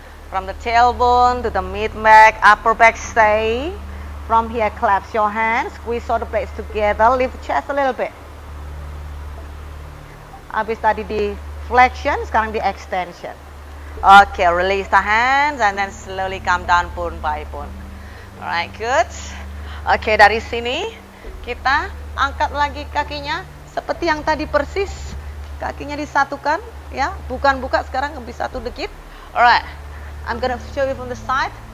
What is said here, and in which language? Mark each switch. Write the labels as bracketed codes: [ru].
[en] From the tailbone to the mid back, upper back, stay. From here, clasp your hands. Squeeze all the blades together, lift chest a little bit. [id] Habis tadi di flexion, sekarang di extension. [en] Okay, release the hands and then slowly come down pun by pun. Alright, good. [id] Okay, dari sini kita angkat lagi kakinya seperti yang tadi persis. Kakinya disatukan, ya. Bukan buka, sekarang lebih satu dikit. [en] Alright, I'm gonna show you from the side.